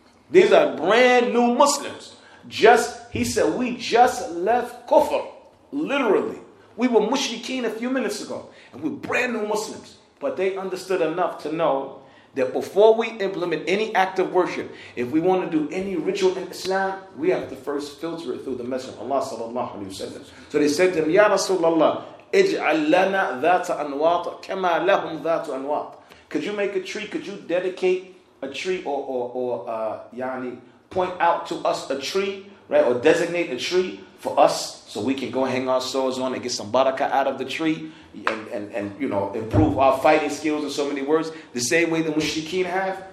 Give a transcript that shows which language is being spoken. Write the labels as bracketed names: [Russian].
[English] These are brand new Muslims. We just left kufr, literally. We were mushrikeen a few minutes ago, and we're brand new Muslims. But they understood enough to know that before we implement any act of worship, if we want to do any ritual in Islam, we have to first filter it through the message of Allah sallallahu alayhi wa sallam. So they said to him, Ya Rasulullah, [Arabic] اجعل لنا ذات أنواط [English] كما لهم ذات أنواط. Could you make a tree? Could you dedicate a tree point out to us a tree, right? Or designate a tree for us, so we can go hang our swords on and get some barakah out of the tree and improve our fighting skills, in so many words, the same way the mushrikeen have.